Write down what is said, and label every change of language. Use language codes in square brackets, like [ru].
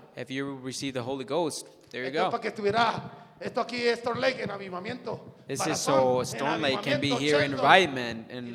[en] If you receive the Holy Ghost, there you go. [es] Para que estuviera esto aquí es Storm Lake en avivamiento. [en] This is so Storm Lake can be here in revivement and